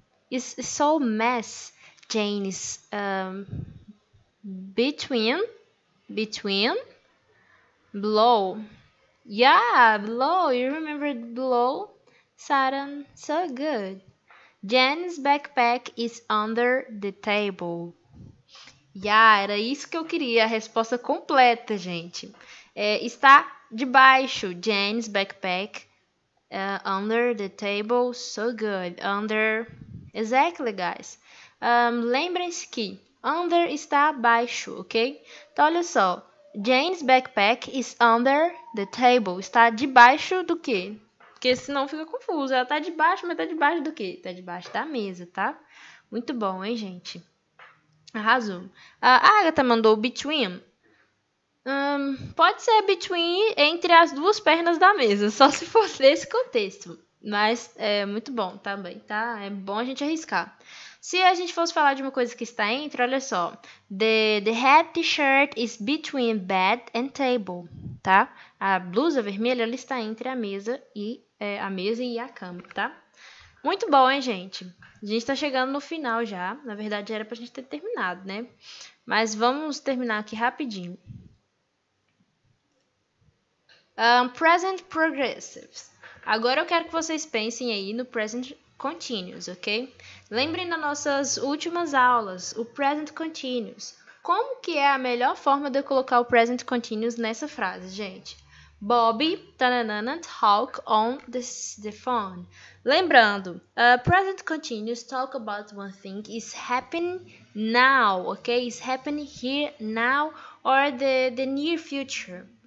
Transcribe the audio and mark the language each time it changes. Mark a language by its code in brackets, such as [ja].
[en] It's so mess. Jane's between below. Yeah, below. You remember below? Saturn, so good. Jane's backpack is under the table. [pt] Yeah, era isso que eu queria, a resposta completa, gente. Está debaixo. [en] Jane's backpack under the table, so good. Under, exactly, guys. [pt] Lembrem-se que under está abaixo, ok? Então, olha só. [en] Jane's backpack is under the table. [pt] Está debaixo do quê? Porque senão fica confuso. Ela está debaixo, mas está debaixo do quê? Está debaixo da mesa, tá? Muito bom, hein, gente? Arrasou. A Agatha mandou between. Pode ser between entre as duas pernas da mesa, só se for nesse contexto. Mas é muito bom também, tá? É bom a gente arriscar. Se a gente fosse falar de uma coisa que está entre, olha só. [en] The red shirt is between bed and table, tá? [pt] A blusa vermelha, ela está entre a mesa e a mesa e a cama, tá? Muito bom, hein, gente? A gente tá chegando no final já. Na verdade, era pra gente ter terminado, né? Mas vamos terminar aqui rapidinho. Present progressives. Agora eu quero que vocês pensem aí no present continuous, ok? Lembrem das nossas últimas aulas, o present continuous. Como que é a melhor forma de eu colocar o present continuous nessa frase, gente? [en] Bobby tananana, talk on the phone. Lembrando, present continuous talk about one thing is happening now, ok? Is happening here now or the near future.